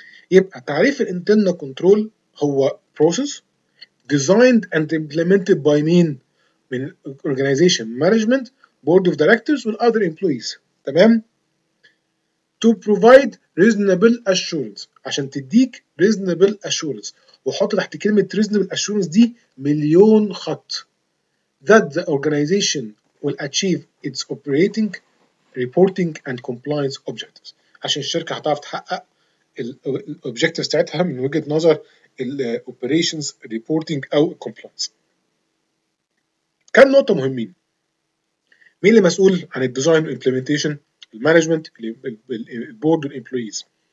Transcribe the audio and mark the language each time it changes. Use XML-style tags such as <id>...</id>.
<ar>يبقى تعريف الـ</ar> <en>internal control هو process designed and implemented by mean من organization management, board of directors and other employees. تمام؟ To provide reasonable assurance.</en> <ar>عشان تديك reasonable assurance. وحط تحت كلمة reasonable assurance دي مليون خط.</ar> <en>That the organization will achieve its operating, reporting and compliance objectives.</en> <ar>عشان الشركة هتعرف تحقق الـ objectives تاعتها من وجهة نظر الـ operations, reporting أو compliance. كان نقطة مهمين. مين اللي مسؤول عن الـ design implementation؟ المانجمنت، البورد والامبلويز.</ar>